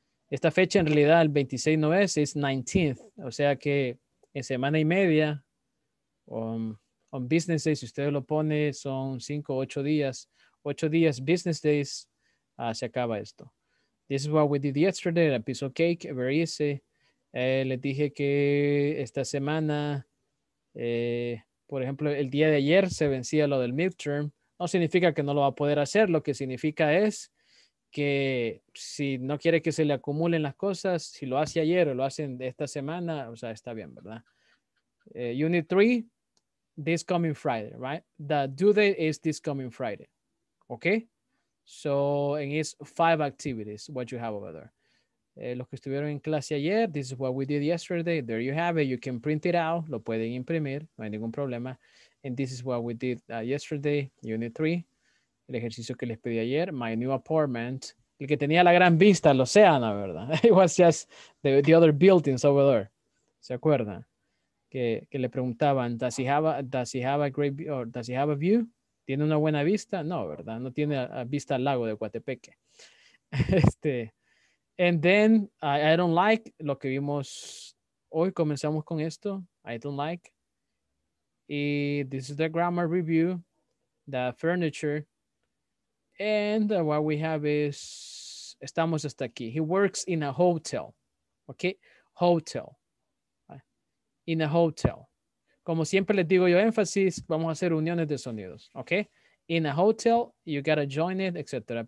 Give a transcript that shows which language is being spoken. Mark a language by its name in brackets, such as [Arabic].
[Spanish] Esta fecha, en realidad, el 26 no es, [English] it's 19th. [Spanish] O sea que en semana y media, [English] on business days, [Spanish] si ustedes lo ponen, son 5 o 8 días. 8 días business days, se acaba esto. [English] This is what we did yesterday, a piece of cake, very easy. [Spanish] Les dije que esta semana, por ejemplo, el día de ayer se vencía lo del midterm. No significa que no lo va a poder hacer, lo que significa es que si no quiere que se le acumulen las cosas, si lo hace ayer o lo hacen esta semana, o sea, está bien, ¿verdad? [English] Unit 3, this coming Friday, right? The due date is this coming Friday, okay? So, and it's 5 activities, what you have over there. [Spanish] Los que estuvieron en clase ayer, [English] this is what we did yesterday. There you have it. You can print it out. [Spanish] Lo pueden imprimir. No hay ningún problema. [English] And this is what we did yesterday, unit 3. [Spanish] El ejercicio que les pedí ayer, [English] my new apartment, [Spanish] el que tenía la gran vista al océano, ¿verdad? [English] It was just the other buildings over there. [Spanish] ¿Se acuerdan? Que le preguntaban, [English] does he have a view? [Spanish] ¿Tiene una buena vista? No, ¿verdad? No tiene a vista al lago de Coatepeque. [English] And then, I don't like [Spanish] lo que vimos hoy. Comenzamos con esto. [English] I don't like. [Spanish] Y [English] this is the grammar review, the furniture. And what we have is, [Spanish] estamos hasta aquí. [English] He works in a hotel. Okay? Hotel. In a hotel. [Spanish] Como siempre les digo yo, énfasis, vamos a hacer uniones de sonidos. [English] Okay? In a hotel, you gotta join it, etc.